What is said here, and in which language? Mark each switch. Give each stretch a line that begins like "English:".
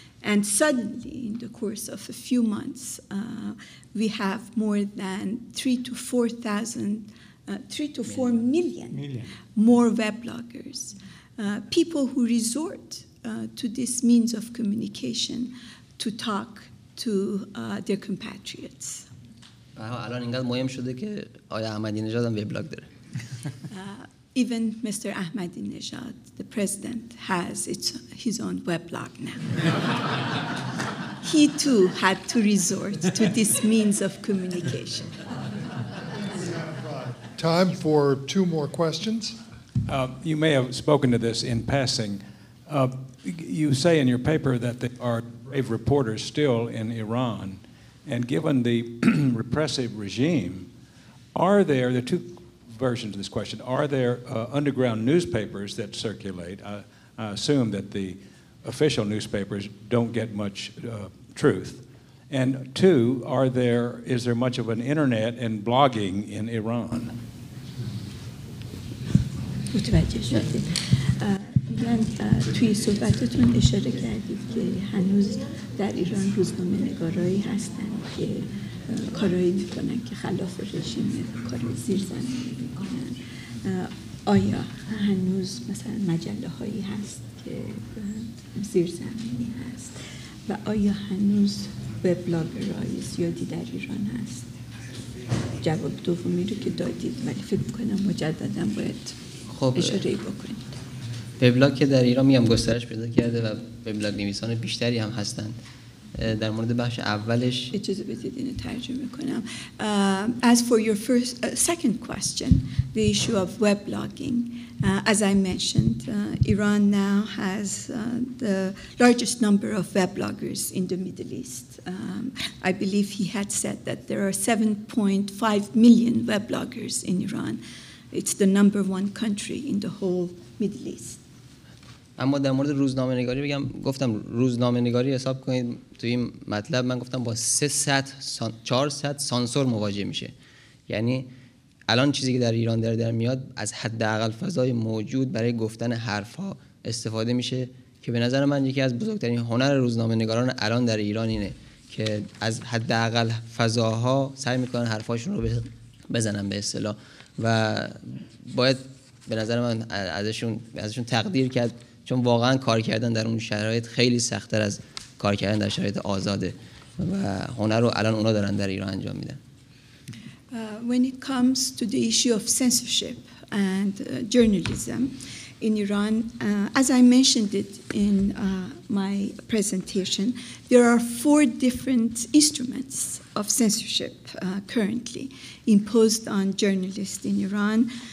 English: And suddenly, in the course of a few months, we have more than 3 to 4 million more webloggers. People who resort to this means of communication to talk to their compatriots.
Persian: الان اینقدر مهم شده که آقای احمدی نژاد هم وبلاگ داره.
English: Even Mr. Ahmadinejad, the president, has his own weblog now. He too had to resort to this means of communication. Time for two more questions. You may have spoken to this in passing. You say in your paper that there are brave reporters still in Iran, and given the repressive regime, are there the two versions of this question. Are there underground newspapers that circulate? I assume that the official newspapers don't get much truth. And two, is there much of an internet and blogging in Iran?
Persian: من توی صحبتتون اشاره کردید که هنوز در ایران روزنامه نگارایی هستن که کارایی میکنن که خلاف رژیم کار زیرزمینی میکنن. آیا هنوز مثلا مجله هایی هست که زیرزمینی هست و آیا هنوز وبلاگرای زیادی در ایران هست؟ جواب دومی رو که دادید ولی فکر میکنم مجددم باید اشاره بکنید. وبلاگ که در ایران میام گسترش پیدا کرده و وبلاگ نویسان بیشتری هم هستند. در مورد بخش اولش اجازه بدید اینو ترجمه کنم.
English: As for your first second question, the issue of weblogging, as I mentioned, Iran now has the largest number of webloggers in the Middle East. I believe he had said that there are 7.5 million webloggers in Iran. It's the number one country in the whole Middle East.
Persian: اما در مورد روزنامه نگاری بگم، گفتم روزنامه نگاری حساب کنید توی این مطلب من گفتم با 400 سانسور مواجه میشه. یعنی الان چیزی که در ایران داره در میاد از حداقل فضای موجود برای گفتن حرف ها استفاده میشه که به نظر من یکی از بزرگترین هنر روزنامه نگاران الان در ایران اینه که از حداقل فضاها سعی میکنن حرفاشون رو بزنن به اصطلاح، و باید به نظر من ازشون تقدیر کرد، چون واقعا کار کردن در اون شرایط خیلی سخت‌تر از کار کردن در شرایط آزاده. و هنر رو الان اونا دارن در ایران انجام میدن.
English: When it comes to the issue of censorship and journalism in Iran, as I mentioned it in my presentation, there are four different instruments of censorship currently imposed on journalists in Iran.